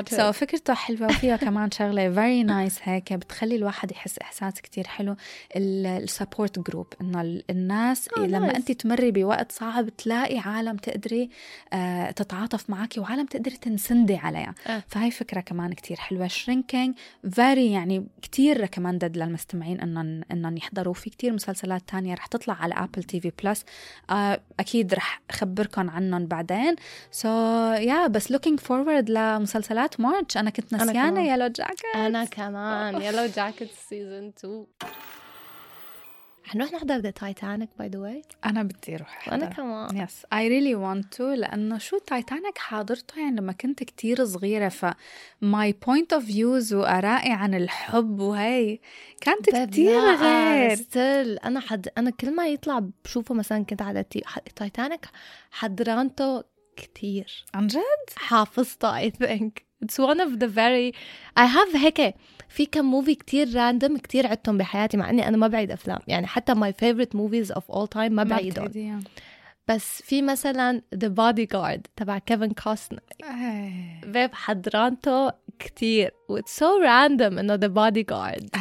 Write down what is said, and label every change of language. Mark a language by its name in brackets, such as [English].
[Arabic] so فكرته حلوة وفيها كمان شغلة [English] very nice [Arabic] هيك بتخلي الواحد يحس إحساس كتير حلو, ال support group إنه الناس لما أنت تمري بوقت صعب تلاقي عالم تقدري تتعاطف معك وعالم تقدري تنسندي عليها, فهي فكرة كمان كتير حلوة. shrinking very يعني كتير ركماندد للمستمعين أنهم يحضروا. في كتير مسلسلات تانية رح تطلع على Apple TV Plus, أكيد رح أخبركم عنهم بعدين. [English] So yeah, [Arabic] بس [English] looking forward [Arabic] لمسلسلات مارتش. أنا كنت نسيانة Yellow Jackets. أنا كمان Yellow Jackets Season 2. هنروح نحضر The Titanic [English] by the way. [Arabic] أنا بدي أروح أحضر. أنا كمان. [English] Yes, I really want to. [Arabic] لأنه شو Titanic حاضرته يعني لما كنت كتير صغيرة, ف [English] my point of views [Arabic] وأرائي عن الحب وهي كانت كتير غير. [English] Still, [Arabic] أنا كل ما يطلع بشوفه مثلا كنت على Titanic حضرانته كتير. عن جد؟ حافظته [English] I think. It's one of the very I have هيك. [Arabic] في كم موفي كتير راندم كتير عدتهم بحياتي مع أني أنا ما بعيد أفلام, يعني حتى [English] my favorite movies of all time [Arabic] ما بعيدهم, بس في مثلا The Bodyguard تبع كيفن كوستنر باب حضرانته كتير و [English] it's so random [Arabic] أنه The Bodyguard.